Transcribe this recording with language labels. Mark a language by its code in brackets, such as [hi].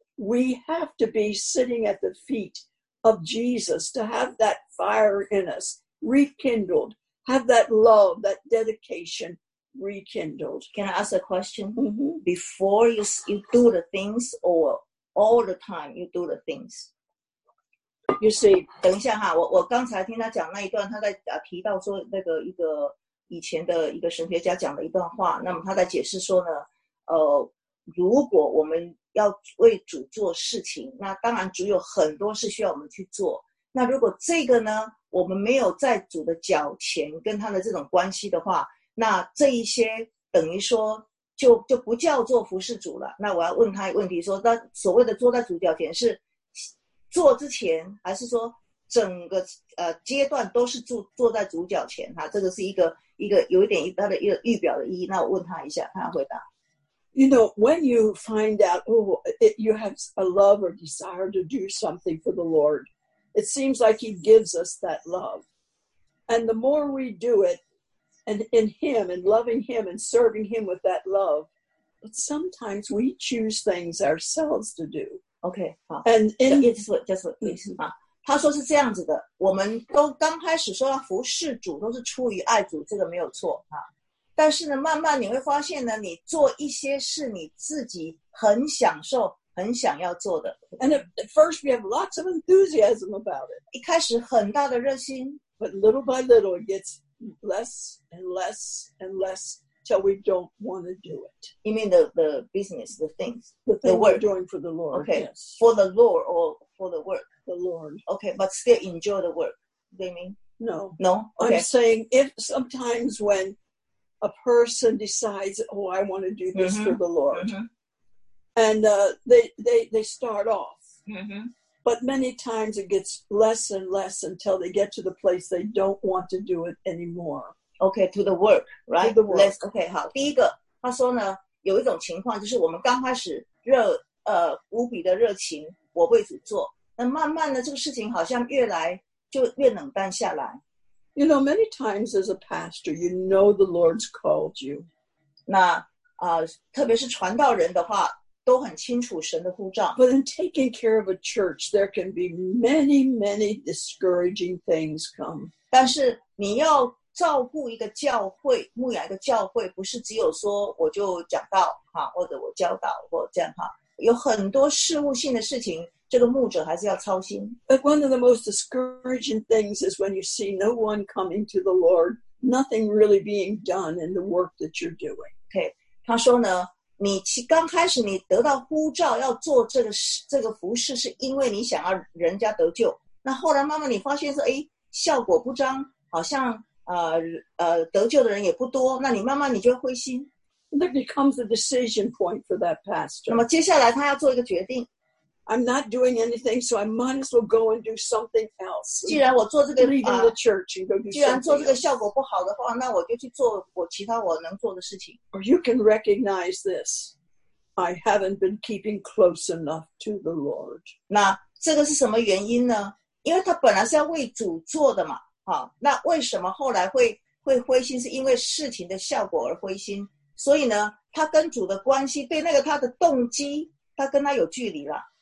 [en] We have to be sitting at the feet of Jesus to have that fire in us rekindled. Have that love, that dedication rekindled. Can I ask a question? Mm-hmm. Before you do the things, or all the time you do the things? You see, [zh] 等一下哈，我刚才听他讲那一段，他在提到说那个一个以前的一个神学家讲的一段话，那么他在解释说呢，如果我们要为主做事情，那当然主有很多事需要我们去做。那如果这个呢，我们没有在主的脚前跟他的这种关系的话，那这一些等于说就不叫做服侍主了。那我要问他一个问题，说那所谓的坐在主脚前是坐之前，还是说整个阶段都是坐在主脚前？哈，这个是一个有一点他的一个预表的意义。那我问他一下，他回答。 [en] You know, when you find out, oh, it, you have a love or desire to do something for the Lord. It seems like he gives us that love. And the more we do it and in him and loving him and serving him with that love, but sometimes we choose things ourselves to do. Okay. And in, just please. [zh] 他说是这样子的，我们都刚开始说要服侍主都是出于爱主，这个没有错。但是呢，慢慢你会发现呢，你做一些事你自己很享受很想要做的。 [en] And at first we have lots of enthusiasm about it. [zh] 一开始很大的热心。 [en] But little by little it gets less and less and less till we don't want to do it. You mean the business, the things? The work. We're doing for the Lord. Okay. Yes. For the Lord or for the work? The Lord. Okay, but still enjoy the work, they mean? No. No? Okay. I'm saying if sometimes when a person decides, oh, I want to do this mm-hmm. for the Lord, mm-hmm. and they start off. Mm-hmm. But many times it gets less and less until they get to the place they don't want to do it anymore. Okay, to the work, right? To the work. Let's, [zh] okay, 好。第一个，他说呢，有一种情况就是我们刚开始无比的热情，我为主做。那慢慢的，这个事情好像越来就越冷淡下来。 [en] You know, many times as a pastor, you know the Lord's called you. [zh] 那特别是传道人的话。都很清楚神的呼召。 [en] But in taking care of a church, there can be many, many discouraging things come. [zh] 但是你要照顾一个教会，牧养一个教会，不是只有说我就讲道哈，或者我教导或这样哈，有很多事务性的事情，这个牧者还是要操心。 [en] But one of the most discouraging things is when you see no one coming to the Lord, nothing really being done in the work that you're doing. [zh] Okay, 他说呢。你刚开始你得到呼召要做这个服事，是因为你想要人家得救。那后来慢慢你发现说，哎，效果不彰，好像得救的人也不多。那你慢慢你就会灰心。 [en] That becomes a decision point for that pastor. [zh] 那么接下来他要做一个决定。 [en] I'm not doing anything, so I might as well go and do something else. [zh] 既然我做这个 [en] leaving the church and go do something else. [zh] 既然做这个效果不好的话，那我就去做我其他我能做的事情。 [en] Or you can recognize this. I haven't been keeping close enough to the Lord. [zh] 那这个是什么原因呢？因为他本来是要为主做的嘛，好，那为什么后来会灰心？是因为事情的效果而灰心。所以呢，他跟主的关系被那个他的动机，他跟他有距离了。